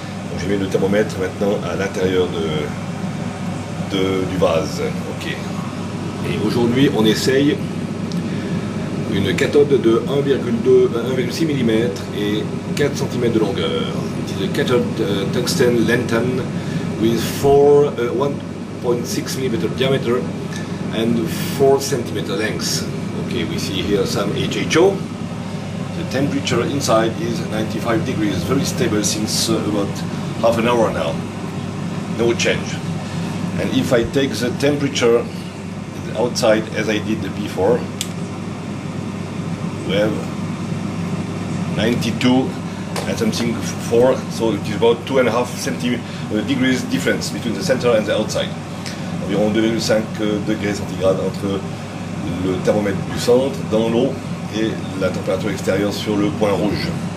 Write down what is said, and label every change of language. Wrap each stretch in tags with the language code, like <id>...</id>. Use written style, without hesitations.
<fr>Donc j'ai mis le thermomètre maintenant à l'intérieur du vase. Okay. Et aujourd'hui, on essaye une cathode de 1,6 mm et 4 cm de longueur.</fr> <en>It is a cathode tungstene Lantahne with 1.6 mm diameter and 4 cm length. Okay, we see here some HHO. The temperature inside is 95 degrees, very stable since about half an hour now. No change. And if I take the temperature outside as I did before, we have 92 and something 4, so it is about 2.5 degrees difference between the center and the outside.</en> <fr>Environ 2,5 degrés centigrades entre le thermomètre du centre dans l'eau et la température extérieure sur le point rouge.</fr>